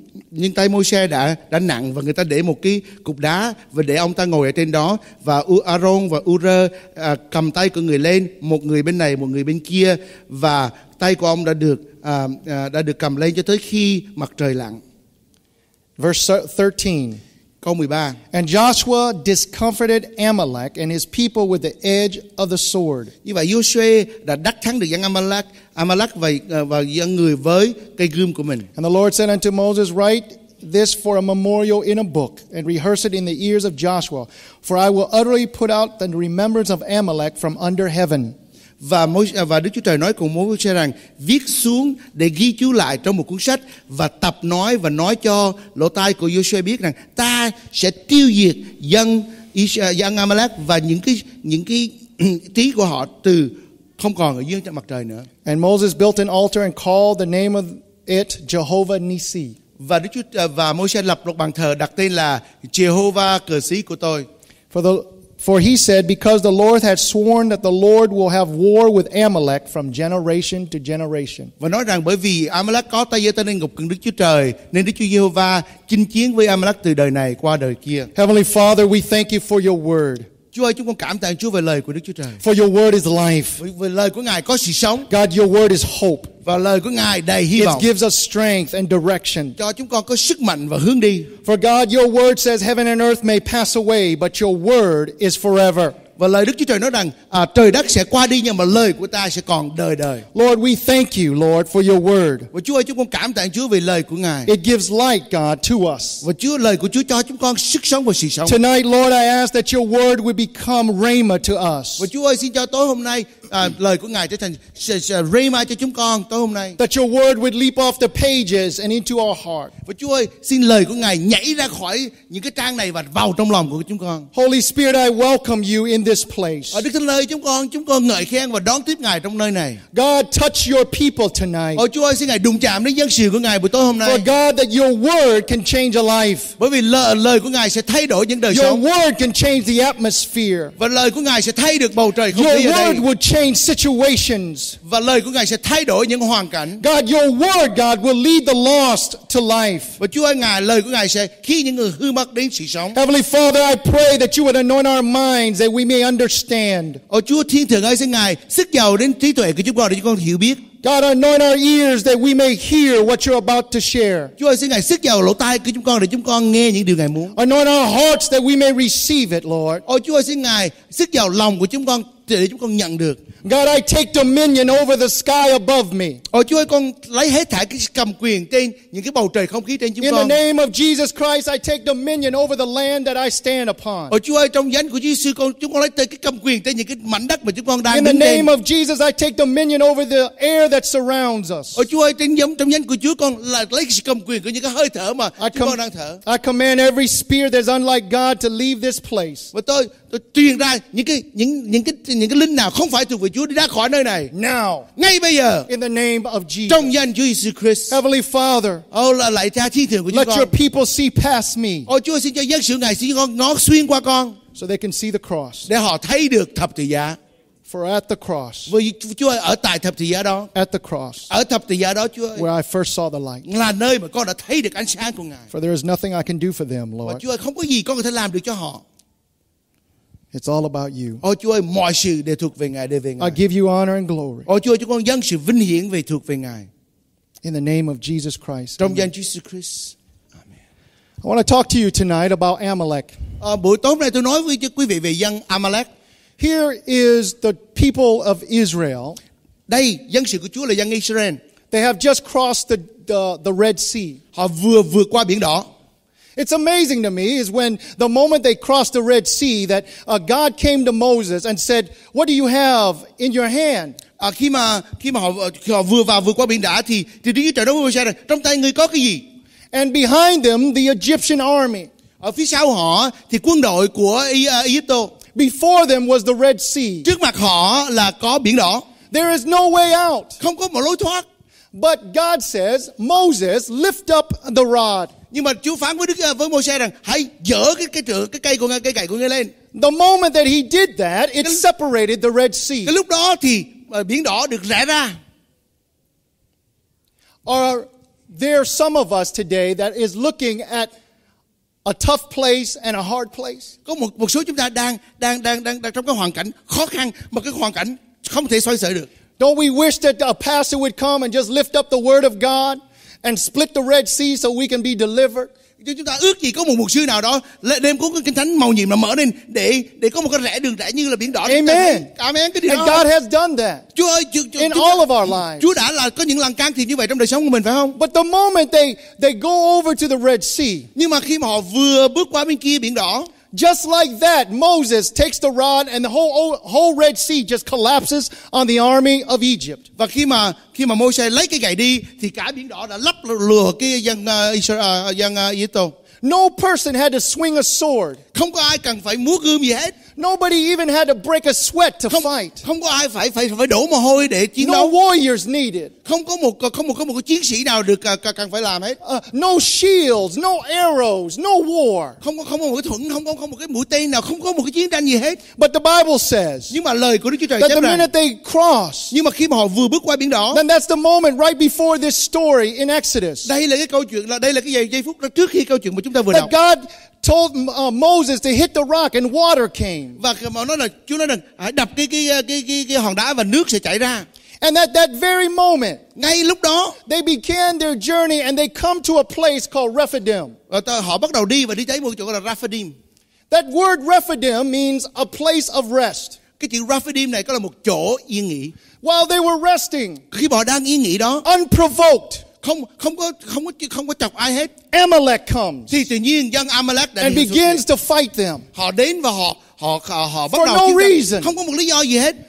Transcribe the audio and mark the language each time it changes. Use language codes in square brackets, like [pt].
[vi] Nhưng tay Môi-se đã nặng, và người ta để một cái cục đá và để ông ta ngồi ở trên đó, và Aaron và Ur cầm tay của người lên, một người bên này một người bên kia, và tay của ông đã được cầm lên cho tới khi mặt trời lặn. [en] Verse 13. And Joshua discomfited Amalek and his people with the edge of the sword. [vi] Như vậy Joshua đã đắc thắng được dân Amalek và dân người với cây gươm của mình. [en] And the Lord said unto Moses, write this for a memorial in a book and rehearse it in the ears of Joshua, for I will utterly put out the remembrance of Amalek from under heaven. [vi] Và Đức Chúa Trời nói cùng Moses rằng viết xuống để ghi chú lại trong một cuốn sách và tập nói và nói cho lỗ tai của Joshua biết rằng ta sẽ tiêu diệt dân Amalek và những cái trí của họ từ không còn ở dưới mặt trời nữa. [en] And Moses built an altar and called the name of it Jehovah Nissi. [vi] Và Đức Chúa và Moses lập một bàn thờ đặt tên là Jehovah cờ sĩ của tôi. [en] For he said, because the Lord had sworn that the Lord will have war with Amalek from generation to generation. [vi] Và nói rằng bởi vì Amalek có tay giơ tay lên ngục cùng Đức Chúa Trời, nên Đức Chúa Giê-hô-va chinh chiến với Amalek từ đời này qua đời kia. [en] Heavenly Father, we thank you for your word. [vi] Chúa ơi, chúng con cảm tạ Chúa về lời của Đức Chúa Trời. [en] For your word is life. [vi] Vì lời của Ngài có sự sống. [en] God, your word is hope. [vi] Và lời của Ngài đầy hy vọng. [en] It gives us strength and direction. [vi] Cho chúng con có sức mạnh và hướng đi. [en] For God, your word says heaven and earth may pass away, but your word is forever. [vi] Và lời Đức Chúa Trời nói rằng trời đất sẽ qua đi, nhưng mà lời của ta sẽ còn đời đời. [en] Lord, we thank you, Lord, for your word. [vi] Và Chúa ơi, chúng con cảm tạ Chúa vì lời của Ngài. [en] It gives light, God, to us. [vi] Và Chúa, lời của Chúa cho chúng con sức sống và sự sống. [en] Tonight, Lord, I ask that your word would become rhema to us. [vi] Và Chúa ơi, xin cho tối hôm nay lời của Ngài trở thành rhema cho chúng con tối hôm nay. [en] That your word would leap off the pages and into our heart. [vi] Và Chúa ơi, xin lời của Ngài nhảy ra khỏi những cái trang này và vào trong lòng của chúng con. [en] Holy Spirit, I welcome you in this place. [vi] Ở Đức Thánh Linh, chúng con ngợi khen và đón tiếp Ngài trong nơi này. [en] God, touch your people tonight. [vi] Ở Chúa ơi, xin Ngài đụng chạm đến dân sự của Ngài buổi tối hôm nay. [en] For God, that your word can change a life. [vi] Bởi vì lời của Ngài sẽ thay đổi những đời [en] your [vi] sống. [en] Your word can change the atmosphere. [vi] Và lời của Ngài sẽ thay được bầu trời không [en] your [vi] khí ở [en] word [vi] đây. [en] Would change change situations. [vi] Và lời của Ngài sẽ thay đổi những hoàn cảnh. [en] God, your word, God, will lead the lost to life. [vi] Và Chúa ơi, Ngài, lời của Ngài sẽ khiến những người hư mất đến sự sống. [en] Heavenly Father, I pray that you would anoint our minds that we may understand. [vi] Ô Chúa Thiên Thượng ơi, xin Ngài sức dầu đến trí tuệ của chúng con để chúng con hiểu biết. [en] God, anoint our ears that we may hear what you're about to share. [vi] Chúa ơi, xin Ngài sức dầu lỗ tai của chúng con để chúng con nghe những điều Ngài muốn. [en] Anoint our hearts that we may receive it, Lord. [vi] Ô Chúa ơi, xin Ngài sức dầu lòng của chúng con để chúng con nhận được. [en] God, I take dominion over the sky above me. [vi] Ô Chúa ơi, con lấy hết thảy cái cầm quyền trên những cái bầu trời không khí trên chúng [en] In [vi] con. [en] In the name of Jesus Christ, I take dominion over the land that I stand upon. [vi] Ô Chúa ơi, trong danh của Giêsu, chúng con lấy cái cầm quyền trên những cái mảnh đất mà chúng con đang đứng [en] In the [vi] đứng [en] name [vi] đến. [en] Of Jesus, I take dominion over the air that surrounds us. [vi] Ô Chúa ơi, trong danh của Chúa, con lấy cái cầm quyền của những cái hơi thở mà chúng con đang thở. [en] I command every spirit that's unlike God to leave this place. [vi] Và tôi truyền ra những cái linh nào không phải thuộc về Chúa đi ra khỏi nơi này. [en] Now, [vi] ngay bây giờ. [en] In the name of Jesus. [vi] Trong danh Chúa Jesus Christ. [en] Heavenly Father. [vi] Oh, lạy Cha Thiên Thượng của chúng con. [en] Let your people see past me. [vi] Oh, Chúa xin cho dân sự Ngài xin con ngó xuyên qua con. [en] So they can see the cross. [vi] Để họ thấy được thập tự giá. [en] For at the cross. [vi] Vì Chúa ở tại thập tự giá đó. [en] At the cross. [vi] Ở thập tự giá đó, Chúa. [en] Where I first saw the light. [vi] Là nơi mà con đã thấy được ánh sáng của Ngài. [en] For there is nothing I can do for them, Lord. [vi] Chúa không có gì con có thể làm được cho họ. [en] It's all about you. [vi] Ô Chúa ơi, mọi sự đều thuộc về Ngài, đều về Ngài. [en] I give you honor and glory. [vi] Ô Chúa, chúng con dâng sự vinh hiển về thuộc về Ngài. [en] In the name of Jesus Christ. [vi] Trong danh Jesus Christ. [en] Amen. I want to talk to you tonight about Amalek. [vi] Buổi tối nay tôi nói với quý vị về dân Amalek. [en] Here is the people of Israel. [vi] Đây, dân sự của Chúa là dân Israel. [en] They have just crossed the Red Sea. [vi] Họ vừa vượt qua biển đỏ. [en] It's amazing to me is when the moment they crossed the Red Sea that God came to Moses and said, "What do you have in your hand?" [vi] Khi mà họ vừa qua biển đá thì Đức Chúa Trời nói với Moses, "Trong tay ngươi có cái gì?" [en] And behind them the Egyptian army. [vi] Ở phía sau họ thì quân đội của Egypt. [en] Before them was the Red Sea. [vi] Trước mặt họ là có biển đỏ. [en] There is no way out. [vi] Không có một lối thoát. [en] But God says, "Moses, lift up the rod." [vi] Nhưng mà Chúa phán với Môi-se rằng hãy dỡ cái cây gậy của ngươi lên. [en] The moment that he did that, it separated the Red Sea. [vi] Cái lúc đó thì biển đỏ được rẽ ra. [en] Are there some of us today that is looking at a tough place and a hard place? [vi] Có một số chúng ta đang trong cái hoàn cảnh khó khăn, một cái hoàn cảnh không thể xoay sở được. [en] Don't we wish that a pastor would come and just lift up the word of God? And split the Red Sea so we can be delivered. [vi] Chúng ta ước gì có một mục sư nào đó đem cuốn kinh thánh màu nhiệm mà mở lên để có một cái rẽ đường rẽ như là biển đỏ. [en] Amen. Amen. And God has done that. [vi] Chúa ơi, [en] in all of our lives. [vi] Chúa đã là có những lần can thiệp như vậy trong đời sống của mình phải không? [en] But the moment they go over to the Red Sea. [vi] Nhưng mà khi mà họ vừa bước qua bên kia biển đỏ. [en] Just like that, Moses takes the rod and the whole Red Sea just collapses on the army of Egypt. [vi] Và khi mà Môi-se lấy cái gậy đi, thì cả biển đỏ đã lấp lửa cái dân Israel. [en] No person had to swing a sword. [vi] Không có ai cần phải múa gươm gì hết. [en] Nobody even had to break a sweat to fight. [vi] Không có ai phải đổ mồ hôi để chiến đấu. [en] No warriors needed. [vi] Không có một chiến sĩ nào được cần phải làm hết. [en] No shields, no arrows, no war. [vi] Không có một cái mũi tên nào, không có một cái chiến tranh gì hết. [en] But the Bible says. [vi] Nhưng mà lời của Đức Chúa Trời chép rằng. [en] That the minute they cross. [vi] Nhưng mà khi mà họ vừa bước qua biển đỏ. [en] Then that's the moment right before this story in Exodus. [vi] Đây là cái giây phút trước khi câu chuyện mà chúng ta vừa đọc. [en] That God told Moses to hit the rock and water came. [vi] Và nói là Chúa nói rằng hãy đập cái hòn đá và nước sẽ chảy ra. [en] And at that very moment, [vi] ngay lúc đó, [en] they began their journey and they come to a place called Rephidim. [vi] Họ bắt đầu đi và đi tới một chỗ gọi là Rephidim. [en] That word Rephidim means a place of rest. [vi] Cái chữ Rephidim này có là một chỗ yên nghỉ. [en] While they were resting, [vi] khi họ đang yên nghỉ đó, [en] unprovoked. [vi] Không có chọc ai hết. [en] Amalek comes. [vi] Thì tự nhiên dân Amalek đã [en] and begins to fight them. [vi] Họ đến và họ bắt [en] for [vi] đầu [en] no reason. [vi] Không có một lý do gì hết.